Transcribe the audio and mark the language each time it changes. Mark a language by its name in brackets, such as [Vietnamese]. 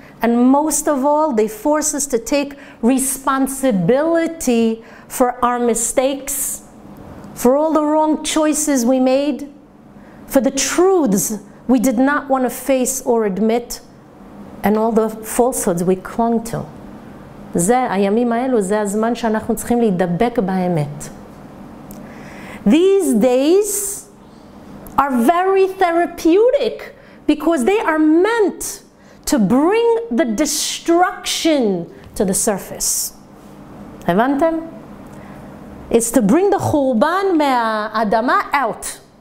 [English] And most of all, they force us to take responsibility for our mistakes, for all the wrong choices we made, for the truths we did not want to face or admit, and all the falsehoods we clung to. [Hebrew] זה הימים האלו, זה הזמן שאנחנו צריכים להידבק באמת. [English] These days are very therapeutic because they are meant to bring the destruction to the surface. [Hebrew] הבנתם? [English] It's to bring the [Hebrew] חורבן מהאדמה [English] out.